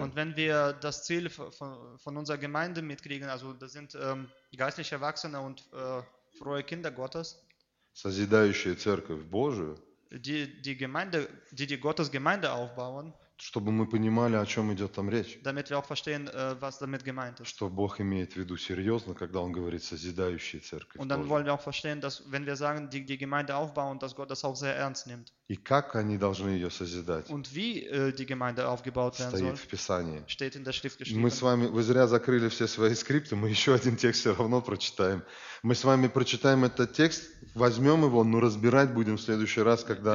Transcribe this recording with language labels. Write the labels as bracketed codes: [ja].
[de] Und wenn wir das Ziel von unserer Gemeinde mitkriegen, also das sind geistliche Erwachsene und frohe Kinder Gottes, [ru] созидающие церковь Божию, [de] die Gemeinde, die Gottes Gemeinde aufbauen, [ru] чтобы мы понимали, о чем идет там речь. [de] Damit wir auch verstehen, was damit gemeint ist. [ru] Что Бог имеет в виду серьезно, когда Он говорит созидающие церкви. [de] Und dann wollen wir auch verstehen, dass wenn wir sagen, die Gemeinde aufbauen, dass Gott das auch sehr ernst nimmt. [ru] И как они должны ее созидать? [de] Und wie die Gemeinde aufgebaut werden soll. [ru] Стоит в Писании. [de] Steht in der Schrift geschrieben. [ru] Мы с вами, вы зря закрыли все свои скрипты, мы еще один текст все равно прочитаем. Мы с вами прочитаем этот текст, возьмем его, но разбирать будем в следующий раз, когда...